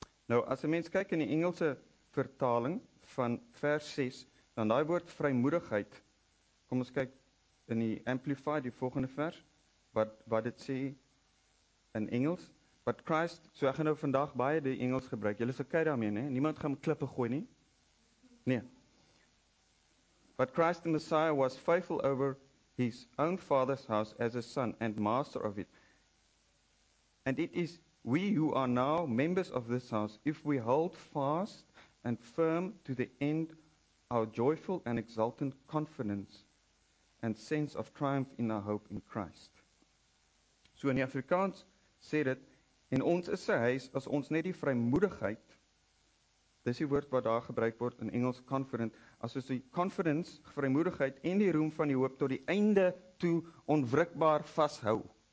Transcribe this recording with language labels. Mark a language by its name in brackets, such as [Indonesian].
[Afrikaans] Nou as 'n mens kyk in die Engelse vertaling van vers 6, dan daai woord vrymoedigheid, kom ons kyk in die Amplified die volgende vers wat dit sê in Engels. [English] But Christ, [Afrikaans] so ek gaan nou vandag baie die Engels gebruik. Julle sal kyk daarmee, nee. Niemand gaan klippe gooi nie. Nee. [English] But Christ the Messiah was faithful over his own father's house as a son and master of it. And it is we who are now members of this house, if we hold fast and firm to the end our joyful and exultant confidence and sense of triumph in our hope in Christ. [Afrikaans] So in die Afrikaans sê dit, en ons is sy huis as ons net die vrymoedigheid, dis die woord wat daar gebruik word in Engels, confident, as ons die confidence, vrymoedigheid en die roem van die hoop tot die einde toe onwrikbaar vashou.